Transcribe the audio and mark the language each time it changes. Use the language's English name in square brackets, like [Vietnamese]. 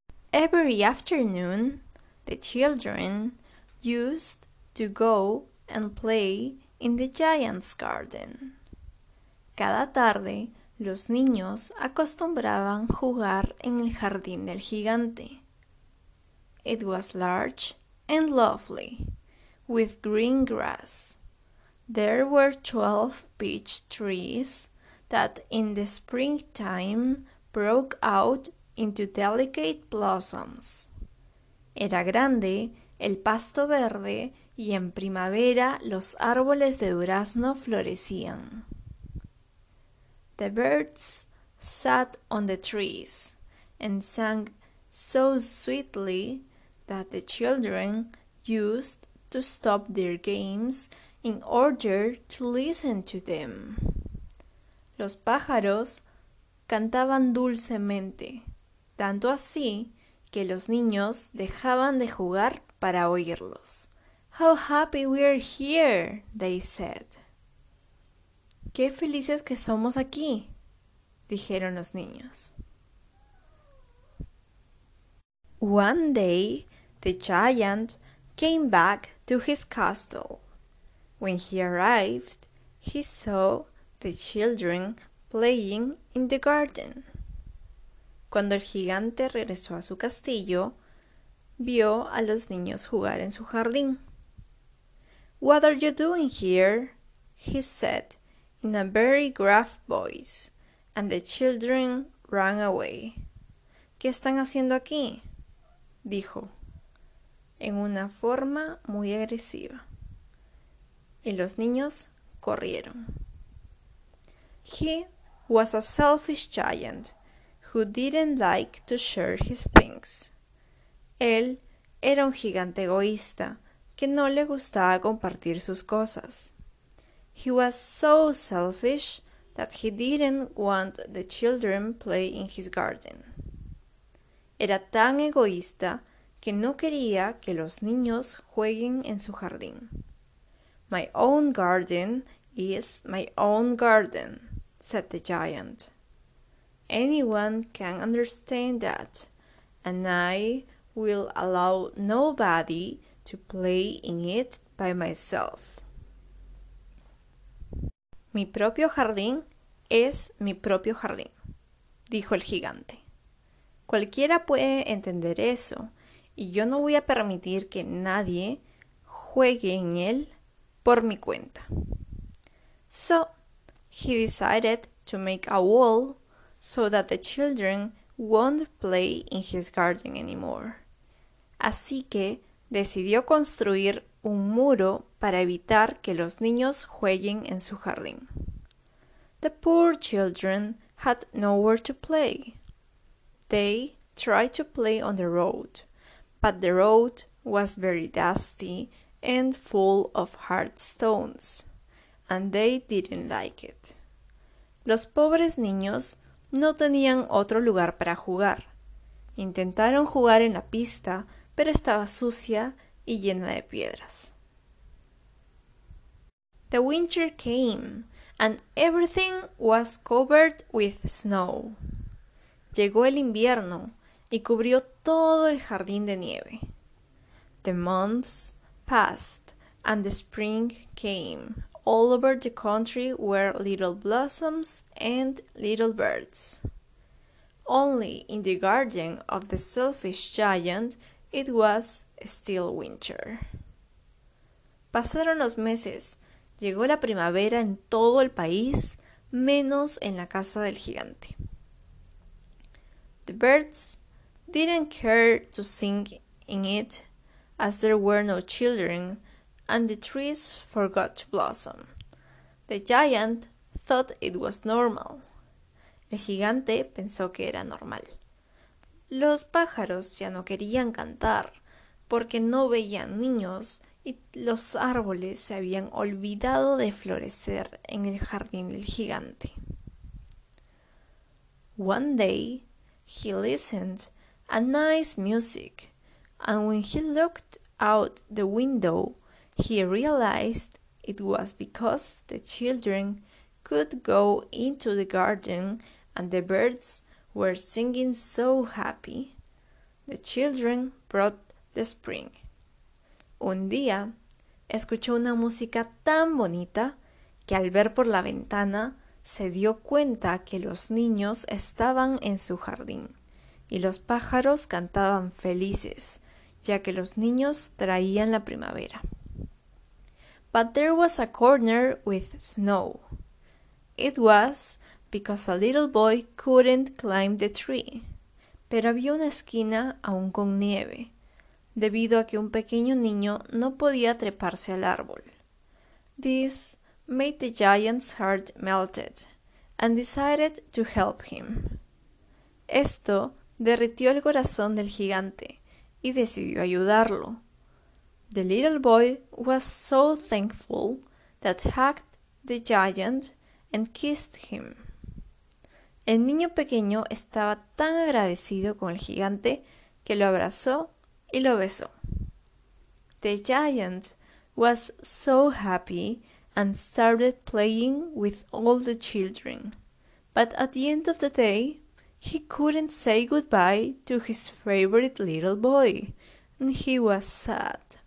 [English] Every afternoon, the children used to go and play in the giant's garden. [Spanish] Cada tarde, los niños acostumbraban jugar en el jardín del gigante. [English] It was large and lovely, with green grass. There were 12 peach trees that in the springtime broke out into delicate blossoms. [Spanish] Era grande el pasto verde y en primavera los árboles de durazno florecían. [English] The birds sat on the trees and sang so sweetly that the children used to stop their games in order to listen to them. [Spanish] Los pájaros cantaban dulcemente, tanto así que los niños dejaban de jugar para oírlos. [English] How happy we are here, they said. [Spanish] Qué felices que somos aquí, dijeron los niños. [English] One day, the giant came back to his castle. When he arrived, he saw the children playing in the garden. [Spanish] Cuando el gigante regresó a su castillo, vio a los niños jugar en su jardín. [English] What are you doing here? He said in a very gruff voice, and the children ran away. [Spanish] ¿Qué están haciendo aquí? Dijo, en una forma muy agresiva. Y los niños corrieron. [English] He was a selfish giant who didn't like to share his things. [Spanish] Él era un gigante egoísta que no le gustaba compartir sus cosas. [English] He was so selfish that he didn't want the children play in his garden. [Spanish] Era tan egoísta que no quería que los niños jueguen en su jardín. [English] My own garden is my own garden, said the giant. Anyone can understand that, and I will allow nobody to play in it by myself. [Spanish] Mi propio jardín es mi propio jardín, dijo el gigante. Cualquiera puede entender eso. Y yo no voy a permitir que nadie juegue en él por mi cuenta. [English] So, he decided to make a wall so that the children won't play in his garden anymore. [Spanish] Así que decidió construir un muro para evitar que los niños jueguen en su jardín. [English] The poor children had nowhere to play. They tried to play on the road. But the road was very dusty and full of hard stones, and they didn't like it. [Spanish] Los pobres niños no tenían otro lugar para jugar. Intentaron jugar en la pista, pero estaba sucia y llena de piedras. [English] The winter came, and everything was covered with snow. [Spanish] Llegó el invierno y cubrió todo el jardín de nieve. [English] The months passed and the spring came all over the country were little blossoms and little birds. Only in the garden of the selfish giant it was still winter. [Spanish] Pasaron los meses, llegó la primavera en todo el país, menos en la casa del gigante. [English] The birds didn't care to sing in it, as there were no children, and the trees forgot to blossom. The giant thought it was normal. [Spanish] El gigante pensó que era normal. Los pájaros ya no querían cantar, porque no veían niños y los árboles se habían olvidado de florecer en el jardín del gigante. [English] One day, he listened a nice music, and when he looked out the window, He realized it was because the children could go into the garden and the birds were singing so happy. The children brought the spring. [Spanish] Un día, escuchó una música tan bonita que al ver por la ventana se dio cuenta que los niños estaban en su jardín y los pájaros cantaban felices, ya que los niños traían la primavera. [English] But there was a corner with snow. It was because a little boy couldn't climb the tree. [Spanish] Pero había una esquina aún con nieve, debido a que un pequeño niño no podía treparse al árbol. [English] This made the giant's heart melted and decided to help him. [Spanish] Esto derritió el corazón del gigante y decidió ayudarlo. [English] The little boy was so thankful that hugged the giant and kissed him. [Spanish] El niño pequeño estaba tan agradecido con el gigante que lo abrazó y lo besó. [English] The giant was so happy and started playing with all the children. But at the end of the day, he couldn't say goodbye to his favorite little boy, and he was sad.